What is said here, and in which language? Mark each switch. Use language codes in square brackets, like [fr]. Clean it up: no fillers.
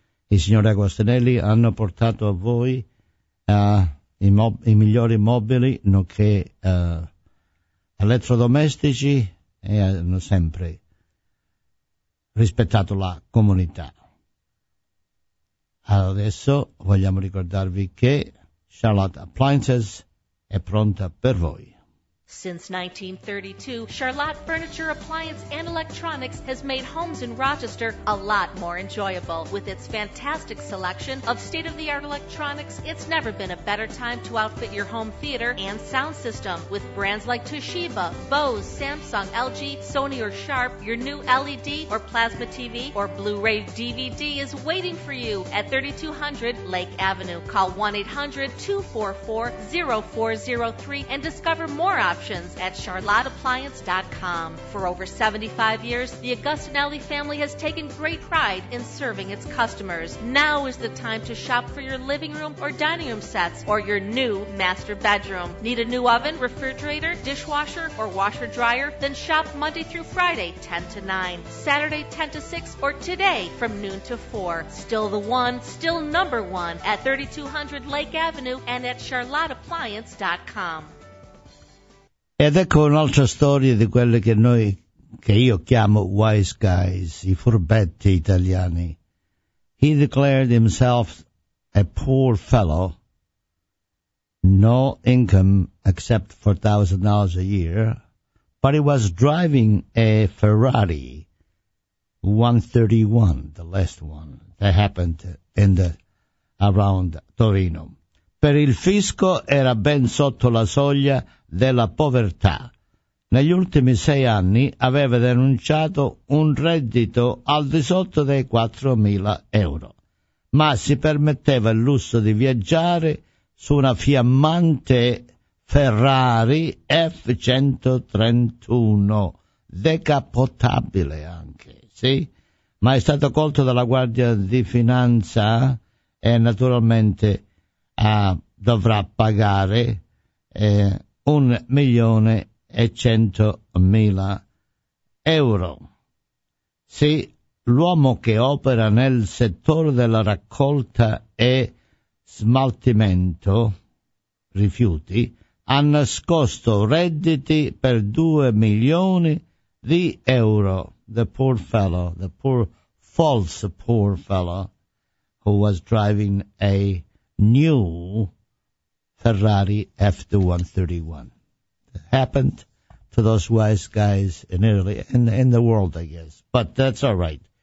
[it] I signori Agostinelli hanno portato a voi i migliori mobili, nonché elettrodomestici, e hanno sempre rispettato la comunità. Adesso vogliamo ricordarvi che Charlotte Appliances è pronta per voi. [en] Since 1932, Charlotte Furniture, Appliance and Electronics has made homes in Rochester a lot more enjoyable. With its fantastic selection of state-of-the-art electronics, it's never been a better time to outfit your home theater and sound system. With brands like Toshiba, Bose, Samsung, LG, Sony or Sharp, your new LED or plasma TV or Blu-ray DVD is waiting for you at 3200 Lake Avenue. Call 1-800-244-0403 and discover more options at charlotteappliance.com. For over 75 years, the Agostinelli family has taken great pride in serving its customers. Now is the time to shop for your living room or dining room sets or your new master bedroom. Need a new oven, refrigerator, dishwasher, or washer dryer? Then shop Monday through Friday, 10 to 9, Saturday, 10 to 6, or today from noon to 4. Still the one, still number one at 3200 Lake Avenue and at charlotteappliance.com. [it] Ed ecco un'altra storia di quelle che noi, che io chiamo [en] wise guys, [it] i furbetti italiani. [en] He declared himself a poor fellow, no income except $4,000 a year, but he was driving a Ferrari 131, the last one that happened in the around Torino. [it] Per il fisco era ben sotto la soglia della povertà. Negli ultimi 6 anni aveva denunciato un reddito al di sotto dei 4.000 euro, ma si permetteva il lusso di viaggiare su una fiammante Ferrari F-131, decapotabile anche, sì? Ma è stato colto dalla Guardia di Finanza e naturalmente dovrà pagare 1.100.000 euro. Sì, l'uomo che opera nel settore della raccolta e smaltimento rifiuti ha nascosto redditi per 2 milioni di euro. [en] The poor fellow, the poor, false poor fellow who was driving a new Ferrari F-131. It happened to those wise guys in Italy and in the world, I guess. But that's all right.